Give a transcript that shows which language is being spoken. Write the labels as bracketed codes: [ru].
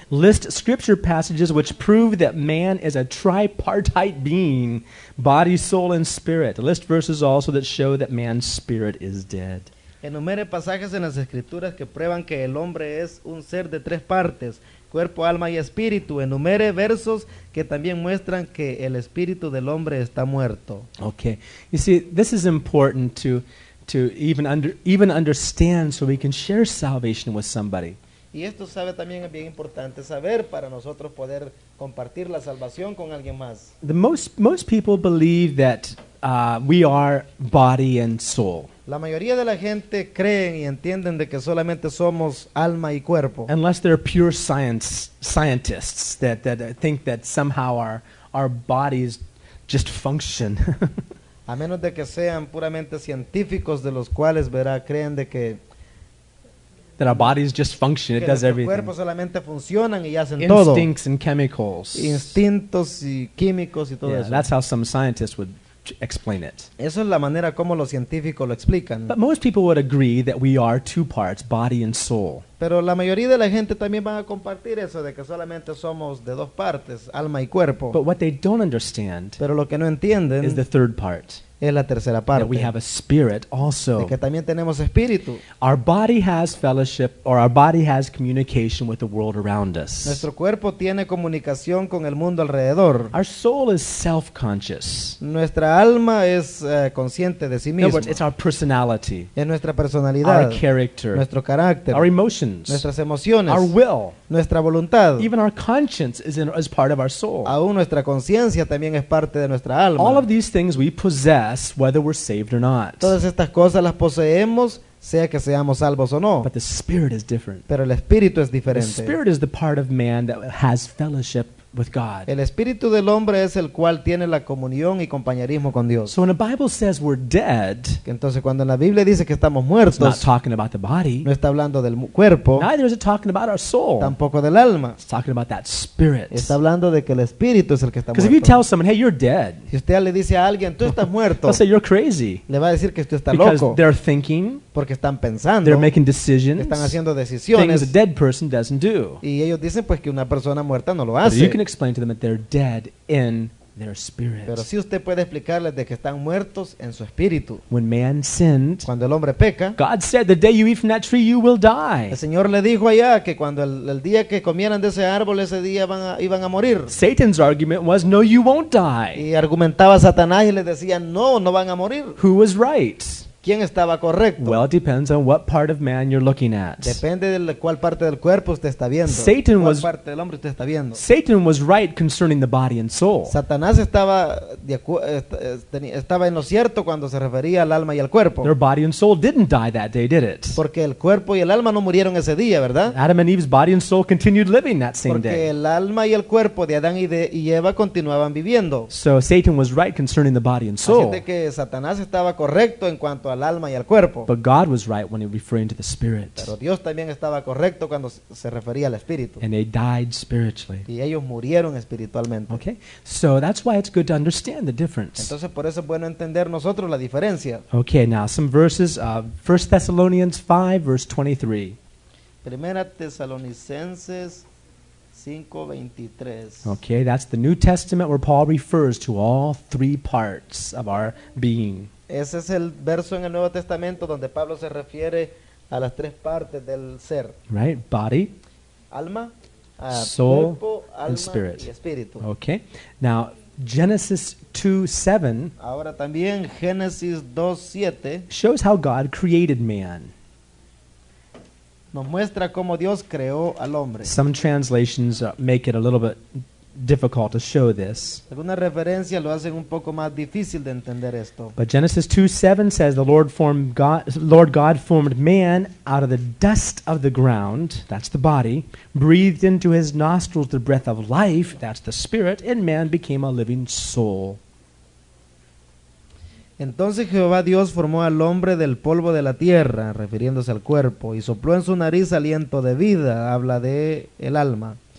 [en] List scripture passages which prove that man is a tripartite being, body, soul, and spirit. List verses also that show that man's spirit is dead. [es] Enumere pasajes en las escrituras que prueban que el hombre es un ser de tres partes, cuerpo, alma y espíritu. Enumere versos que también muestran que el espíritu del hombre está muerto. [en] Okay. You see, this is important to even understand so we can share salvation with somebody. [es] Y esto sabe también es bien importante saber para nosotros poder compartir la salvación con alguien más. [en] The most people believe that we are body and soul. [es] La mayoría de la gente creen y entienden de que solamente somos alma y cuerpo. [en] Unless they're pure scientists that think that somehow our bodies just function. [es] A menos de que sean puramente científicos de los cuales verá creen de que [en] that our bodies just function, it does everything. [es] Que nuestro cuerpo solamente funcionan y hacen [en] instincts [es] todo. [en] Instincts and chemicals. [es] Instintos y químicos y todo [en] yeah, [es] eso. [en] That's how some scientists would explain it. [es] Eso es la manera como los científicos lo explican. [en] But most people would agree that we are two parts, body and soul. [es] Pero la mayoría de la gente también va a compartir eso de que solamente somos de dos partes, alma y cuerpo. [en] But what they don't understand, [es] pero lo que no entienden, [en] is the third part. [es] Es la tercera parte. [en] That we have a spirit also. [es] De que también tenemos espíritu. [en] Our body has fellowship, or our body has communication with the world around us. [es] Nuestro cuerpo tiene comunicación con el mundo alrededor. [en] Our soul is self-conscious. [es] Nuestra alma es consciente de sí misma. [en] In other words, it's our personality. [es] Es nuestra personalidad. [en] Our character. [es] Nuestro carácter. [en] Our emotions. [es] Nuestras emociones. [en] Our will. [es] Nuestra voluntad. [en] Even our conscience is part of our soul. [es] Aún nuestra conciencia también es parte de nuestra alma. [en] All of these things we possess. Whether we're saved or not. [es] Todas estas cosas las poseemos, sea que seamos salvos o no. [en] But the spirit is different. [es] Pero el espíritu es diferente. [en] The spirit is the part of man that has fellowship with God. [es] El espíritu del hombre es el cual tiene la comunión y compañerismo con Dios. [en] So when the Bible says we're dead, [es] entonces cuando en la Biblia dice que estamos muertos, [en] it's not talking about the body. [es] No está hablando del cuerpo. [en] Neither is it talking about our soul. [es] Tampoco del alma. [en] It's talking about that spirit. [es] Está hablando de que el espíritu es el que está muerto. [en] Because if you tell someone, hey, you're dead, [es] si usted le dice a alguien, tú estás muerto, [en] they'll say you're crazy. [es] Le va a decir que usted está [en] because [es] loco. [en] They're thinking. [es] Porque están pensando. [en] They're making decisions. [es] Están haciendo decisiones. [en] Things a dead person doesn't do. [es] Y ellos dicen pues que una persona muerta no lo hace. [en] Explain to them that they're dead in their spirit. [es] Pero si usted puede explicarles de que están muertos en su espíritu. [en] When man sinned, [es] cuando el hombre peca, [en] God said, "The day you eat from that tree, you will die." [es] El Señor le dijo allá que cuando el día que comieran de ese árbol ese día iban a morir. [en] Satan's argument was, "No, you won't die." [es] Y argumentaba Satanás y le decía, no van a morir. [en] Who was right? [es] ¿Quién estaba correcto? [en] Well, it depends on what part of man you're looking at. [es] Depende de cuál parte del cuerpo usted está viendo. [en] Satan [es] cuál [en] was [es] parte del hombre usted está viendo. [en] Satan was right concerning the body and soul. [es] Satanás estaba en lo cierto cuando se refería al alma y al cuerpo. [en] Their body and soul didn't die that day, did it? [es] Porque el cuerpo y el alma no murieron ese día, ¿verdad? [en] Adam and Eve's body and soul continued living that same [es] porque [en] day. [es] Porque el alma y el cuerpo de Adán y Eva continuaban viviendo. [en] So Satan was right concerning the body and soul. [es] Así de que Satanás estaba correcto en cuanto al alma y al cuerpo. [en] But God was right when he referring to the spirit. [es] Pero Dios también estaba correcto cuando se refería al espíritu. [en] And they died spiritually. [es] Y ellos murieron espiritualmente. [en] Okay. So that's why it's good to understand the difference. [es] Entonces por eso es bueno entender nosotros la diferencia. [en] Okay, now some verses 1 Thessalonians 5 verse 23. [es] Primera Tesalonicenses 5:23. [en] Okay, that's the New Testament where Paul refers to all three parts of our being. [es] Ese es el verso en el Nuevo Testamento donde Pablo se refiere a las tres partes del ser. [en] Right, body, [es] alma, [en] soul, [es] cuerpo, alma, [en] and spirit. [es] Y espíritu. [en] Okay, now Genesis 2:7. [es] Ahora también Génesis 2:7 [en] shows how God created man. [es] nos muestra cómo Dios creó al hombre. [en] Some translations make it a little bit difficult to show this. [es] Alguna referencia lo hacen un poco más difícil de entender esto. [en] But Genesis 2:7 says the Lord God formed man out of the dust of the ground, that's the body, breathed into his nostrils the breath of life, that's the spirit, and man became a living soul. [es] Entonces Jehová Dios formó al hombre del polvo de la tierra, refiriéndose al cuerpo, y sopló en su nariz aliento de vida, habla de el alma.